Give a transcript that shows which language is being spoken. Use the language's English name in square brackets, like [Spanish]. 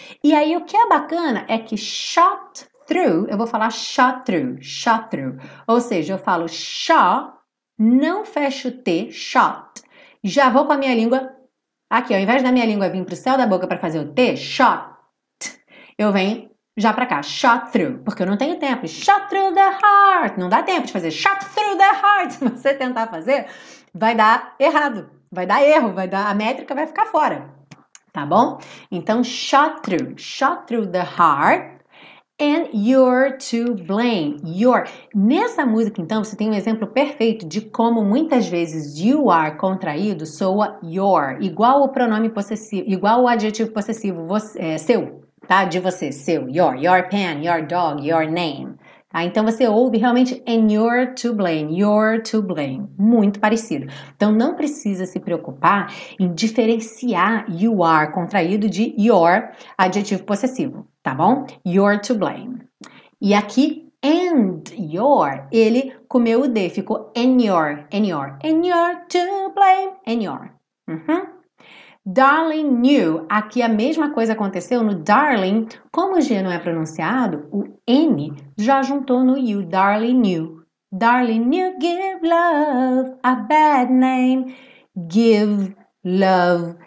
[Portuguese] E aí, o que é bacana é que shot through, eu vou falar shot through, ou seja, eu falo shot, não fecho o T, shot, já vou com a minha língua aqui, ao invés da minha língua vir para o céu da boca para fazer o T, shot. eu venho já pra cá, shot through, porque eu não tenho tempo, [English] shot through the heart, [Portuguese] não dá tempo de fazer shot through the heart, se você tentar fazer, vai dar errado, vai dar erro, vai dar, a métrica vai ficar fora, tá bom? [English] Então, shot through the heart, and you're to blame, you're. [Portuguese] Nessa música, então, você tem um exemplo perfeito de como muitas vezes you are contraído soa you're, igual o pronome possessivo, igual o adjetivo possessivo, você, é, seu, tá? De você, seu, your pen, your dog, your name. Tá? Então, você ouve realmente [English] and you're to blame, [Portuguese] muito parecido. Então, não precisa se preocupar em diferenciar you are contraído de your, adjetivo possessivo, tá bom? [English] You're to blame. [Portuguese] E aqui, and your, ele comeu o D, ficou [English] and you're to blame, and your. Uhum. [Portuguese] Darling knew, aqui a mesma coisa aconteceu no darling, como o G não é pronunciado, o N já juntou no you, [English] darling knew. Darling knew, give love a bad name, give love.